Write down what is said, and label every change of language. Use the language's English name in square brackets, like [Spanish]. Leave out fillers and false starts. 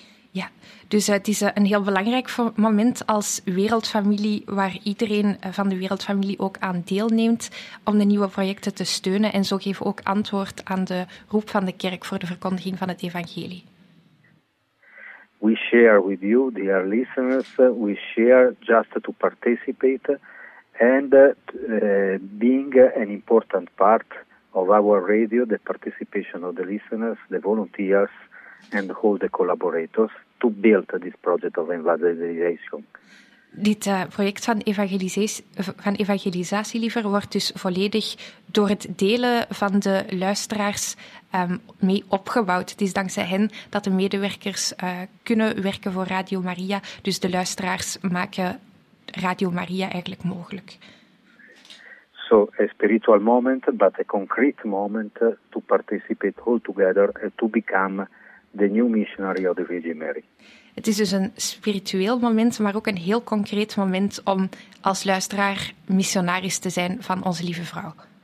[Dutch] Ja, dus het is een heel belangrijk moment als wereldfamilie waar iedereen van de wereldfamilie ook aan deelneemt om de nieuwe projecten te steunen en zo geven ook antwoord aan de roep van de kerk voor de verkondiging van het evangelie. [English] We share with you, dear listeners, we share just to participate and being an important part of our radio, the participation of the listeners, the volunteers and all the collaborators to build this project of evangelization. [Dutch] Dit project van evangelisatie liever wordt dus volledig door het delen van de luisteraars mee opgebouwd. Het is dankzij hen dat de medewerkers kunnen werken voor Radio Maria. Dus de luisteraars maken Radio Maria eigenlijk mogelijk. [English] So, a spiritual moment, but a concrete moment to participate all together and to become the new missionary of the Virgin Mary. [Dutch] Het is dus een spiritueel moment, maar ook een heel concreet moment om als luisteraar missionaris te zijn van onze lieve vrouw.